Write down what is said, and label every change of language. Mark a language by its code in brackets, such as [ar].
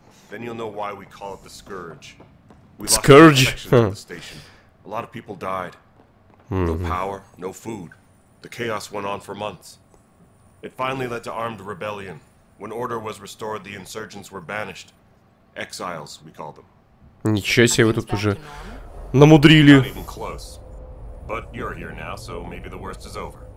[en] Then you'll know why we call it the Scourge. We lost Scourge? Huh. The station. A lot of people died. No power, no food. The chaos went on for months. It finally led to armed rebellion. When order was restored, the insurgents were banished. Exiles, we call them. [ru] Ничего себе, вы тут уже намудрили. [en] But you're here now, so maybe the worst is over.